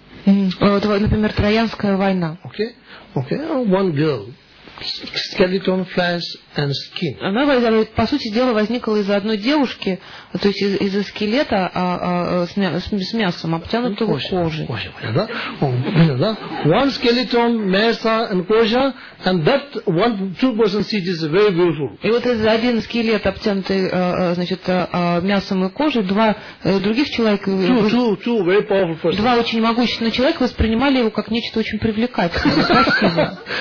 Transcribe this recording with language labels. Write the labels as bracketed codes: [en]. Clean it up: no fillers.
[ru] Например, Троянская война. [en] Okay. Okay. One girl. Skeleton, flesh and skin. [ru] Она, по сути дела, возникла из-за одной девушки, то есть из-за скелета с мясом, обтянутого кожей. [en] One skeleton, mesa and kosha, and that one two person seat is very beautiful. [ru] И вот из-за один скелет, обтянутый мясом и кожей, два других человека. [en] Two very powerful persons. [ru] Два очень могущественных человека воспринимали его как нечто очень привлекательное.